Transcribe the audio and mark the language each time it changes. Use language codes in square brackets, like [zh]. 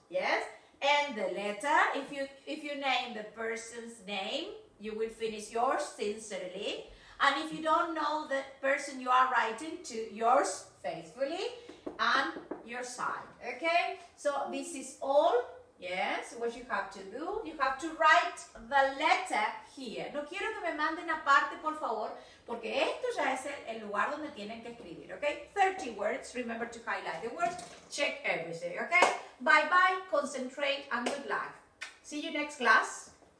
[en] Yes, end the letter. If you name the person's name, you will finish yours sincerely. And if you don't know the person you are writing to, yours faithfully and your side, okay? So this is all, yes, what you have to do. You have to write the letter here. [es] No quiero que me manden aparte, por favor, porque esto ya es el lugar donde tienen que escribir, okay? [en] 30 words, remember to highlight the words, check everything, okay? Bye-bye, concentrate, and good luck. See you next class.